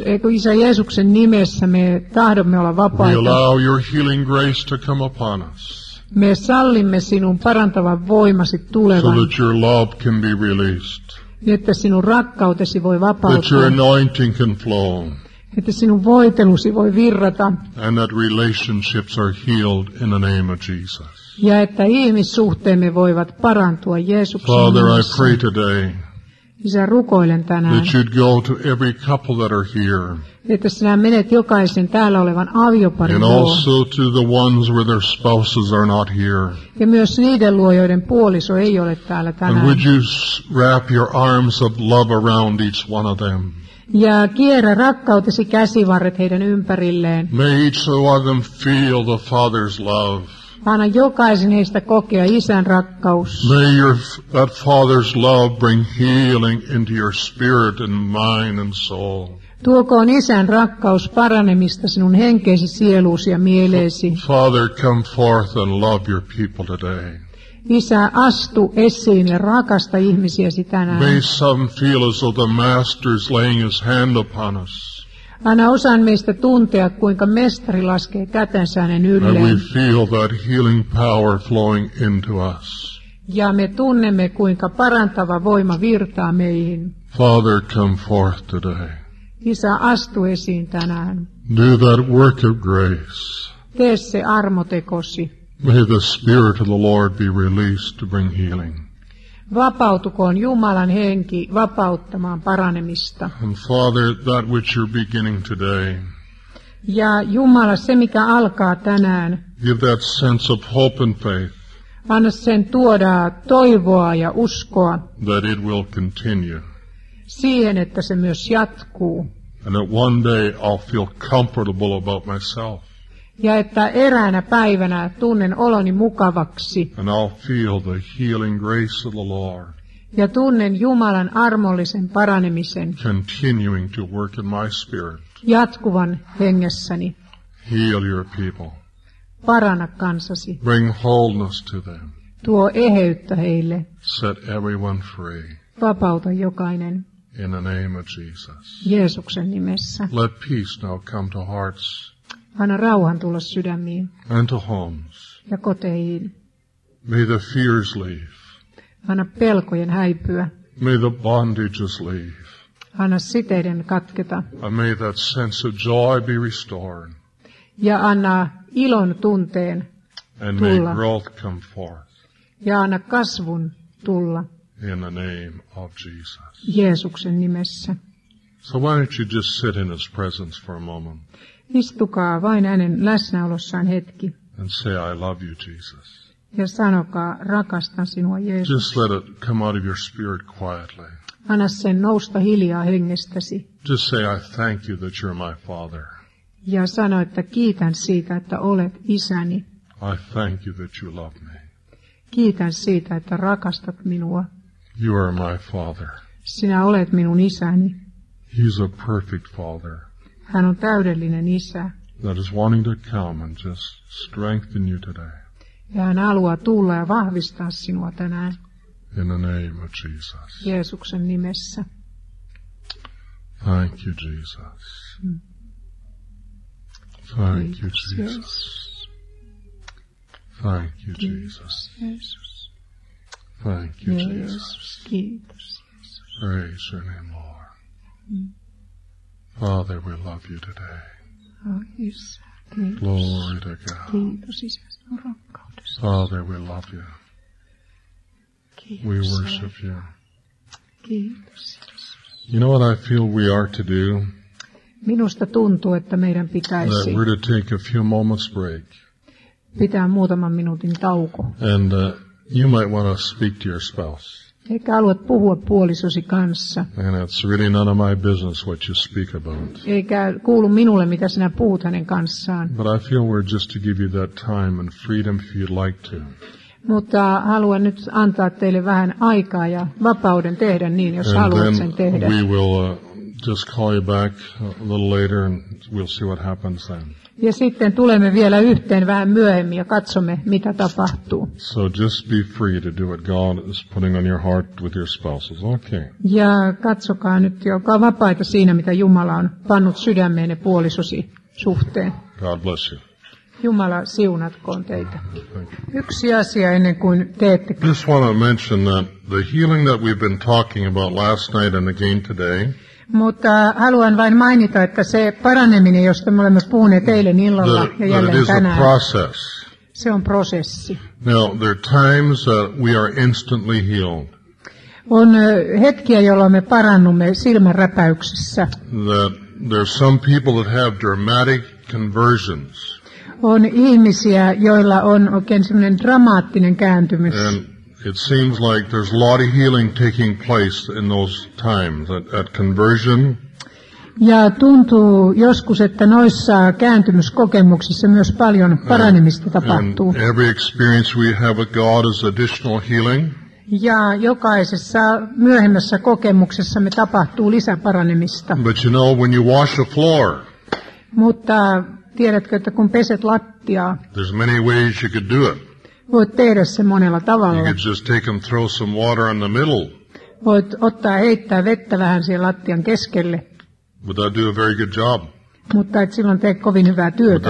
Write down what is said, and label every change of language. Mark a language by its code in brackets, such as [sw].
[fi] Isä Jeesuksen nimessä me tahdomme olla vapaita. [en] We allow your healing grace to come upon us. [fi] Me sallimme sinun parantavan voimasi tulevan. [en] So that your love can be released. [fi] Että sinun rakkautesi voi vapautua. [en] That your anointing can flow. [fi] Että sinun voitelusi voi virrata. [en] And that relationships are healed in the name of Jesus. [fi] Ja että ihmissuhteemme voivat parantua Jeesuksen nimessä. [en] Father, I pray today. [fi] Isä, rukoilen tänään. [en] That you'd go to every couple that are here. [fi] Että sinä menet jokaisen täällä olevan avioparin luo. [en] And also to the ones where their spouses are not here. [fi] Ja myös niiden luo, joiden puoliso ei ole täällä tänään. [en] And would you wrap your arms of love around each one of them? [fi] Ja kierrä rakkautesi käsivarret heidän ympärilleen. [en] May each of them feel the Father's love. [fi] Anna jokaisen heistä kokea isän rakkaus. [en] May your, that Father's love bring healing into your spirit and mind and soul. [fi] Tuokoon isän rakkaus paranemista sinun henkeesi, sieluusi ja mieleesi. [en] Father, come forth and love your people today. [fi] Isä, astu esiin ja rakasta ihmisiäsi tänään. [en] May some feel as though the Master is laying his hand upon us. [fi] Anna osan meistä tuntea, kuinka mestari laskee kätensä hänen ylleen. [en] And we feel that healing power flowing into us. [fi] Ja me tunnemme, kuinka parantava voima virtaa meihin. [en] Father, come forth today. [fi] Isä, astu esiin tänään. [en] Do that work of grace. [fi] Tee se armotekosi. [en] May the Spirit of the Lord be released to bring healing. [fi] Vapautukoon Jumalan henki vapauttamaan paranemista. [en] And Father, that which you're beginning today. [fi] Ja Jumala, se mikä alkaa tänään. [en] Give that sense of hope and faith. [fi] Anna sen tuoda toivoa ja uskoa. [en] That it will continue. [fi] Siihen, että se myös jatkuu. [en] And that one day I'll feel comfortable about myself. [fi] Ja että eräänä päivänä tunnen oloni mukavaksi. [en] And I'll feel the healing grace of the Lord. [fi] Ja tunnen Jumalan armollisen paranemisen. [en] Continuing to work in my spirit. [fi] Jatkuvan hengessäni. [en] Heal your people. [fi] Paranna kansasi. [en] Bring wholeness to them. [fi] Tuo eheyttä heille. [en] Set everyone free. [fi] Vapauta jokainen. [en] In the name of Jesus. [fi] Jeesuksen nimessä. [en] Let peace now come to hearts. [fi] Anna rauhan tulla sydämiin. [en] And to homes. [fi] Ja koteihin. [en] May the fears leave. [fi] Anna pelkojen häipyä. [en] May the bondages leave. [fi] Anna siteiden katketa. [en] And may that sense of joy be restored. [fi] Ja anna ilon tunteen [en] and [fi] tulla. [en] May growth come forth. [fi] Ja anna kasvun tulla. [en] In the name of Jesus. [fi] Jeesuksen nimessä. [en] So why don't you just sit in his presence for a moment. [fi] Istukaa vain hänen läsnäolossaan hetki. [en] And say, I love you, Jesus. [fi] Ja sanokaa, rakastan sinua, Jeesus. [en] Just let it come out of your spirit quietly. [fi] Anna sen nousta hiljaa hengestäsi. [en] Just say, I thank you that you're my father. [fi] Ja sano, että kiitän siitä, että olet isäni. [en] I thank you that you love me. [fi] Kiitän siitä, että rakastat minua. [en] You are my father. [fi] Sinä olet minun isäni. [en] He's a perfect father. [fi] Hän on täydellinen isä. [en] That is wanting to come and just strengthen you today. [fi] Ja hän haluaa tulla ja vahvistaa sinua tänään. [en] In the name of Jesus. [fi] Jeesuksen nimessä. [en] Thank you, Jesus. Thank you, Jesus. Thank you, Jesus. Thank you, Jesus. [fi] Kiitos, Jesus. [en] Praise your name, Lord. Father, we love you today. Glory to God. Father, we love you. We worship you. You know what I feel we are to do? [fi] Minusta tuntuu, että meidän pitäisi. [en] That we're to take a few moments break. [fi] Pitää muutaman minuutin tauko. [en] And you might want to speak to your spouse. [fi] Eikä haluat puhua puolisosi kanssa. [en] And it's really none of my business what you speak about. [fi] Eikä kuulu minulle, mitä sinä puhut hänen kanssaan. [en] But I feel we're just to give you that time and freedom if you'd like to. [fi] Mutta haluan nyt antaa teille vähän aikaa ja vapauden tehdä niin, jos [en] and [fi] haluat sen tehdä. [en] We will just call you back a little later and we'll see what happens then. [fi] Ja sitten tulemme vielä yhteen vähän myöhemmin ja katsomme mitä tapahtuu. [en] So just be free to do what God is putting on your heart with your spouses. Okay. [fi] Ja katsokaa nyt, olkaa vapaita siinä mitä Jumala on pannut sydämeenne puolisosi suhteen. [en] God bless you. [fi] Jumala siunatkoon teitä. Yksi asia ennen kuin teette. [en] Just want to mention that the healing that we've been talking about last night and again today. [fi] Mutta haluan vain mainita, että se paraneminen, josta me olemme puhuneet eilen illalla ja jälleen tänään, se on prosessi. [en] Now, there are times that we are instantly healed. [fi] On hetkiä, jolloin me parannumme silmänräpäyksessä. [en] There are some people that have dramatic conversions. [fi] On ihmisiä, joilla on oikein sellainen dramaattinen kääntymys. [en] And it seems like there's a lot of healing taking place in those times at conversion. [fi] Ja tuntuu joskus, että noissa kääntymyskokemuksissa myös paljon paranemista tapahtuu. [en] And every experience we have with God is additional healing. [fi] Ja jokaisessa myöhemmässä kokemuksessa me tapahtuu lisäparanemista. [en] But you know, when you wash a floor. [fi] Mutta tiedätkö, että kun peset lattiaa. [en] There's many ways you could do it. [fi] Voit tehdä se monella tavalla. [en] You could just take and throw some water in the middle. [fi] Voit ottaa heittää vettä vähän siihen lattian keskelle. [en] But that'd do a very good job. [fi] Mutta et silloin tee kovin hyvää työtä.